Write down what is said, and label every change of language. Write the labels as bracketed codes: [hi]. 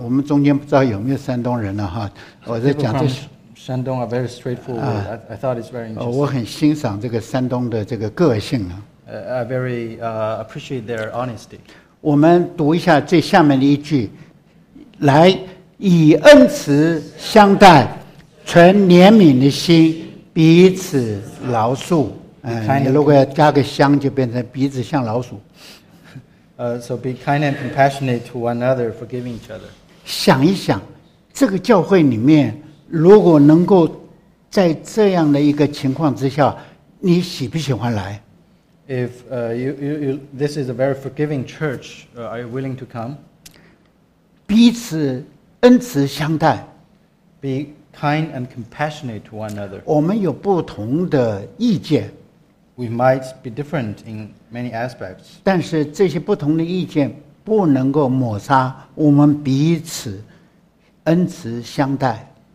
[zh] 我们中间不知道有没有山东人了哈。我在讲这。 [en] Shandong are very straightforward. I thought it's very interesting. [zh] 我很欣赏这个山东的这个个性啊。 [en] I very appreciate their honesty. [zh] 我们读一下这下面的一句，来以恩慈相待，存怜悯的心，彼此饶恕。你如果要加个相，就变成彼此像老鼠。 [en] So be kind and compassionate to one another, forgiving each other. [zh] 想一想，这个教会里面，如果能够在这样的一个情况之下，你喜不喜欢来？ [en] If you this is a very forgiving church, are you willing to come? [zh] 彼此恩慈相待 [en] Be kind and compassionate to one another. [zh] 我们有不同的意见 [en] We might be different in many aspects. [zh] 但是这些不同的意见不能够抹杀我们彼此恩慈相待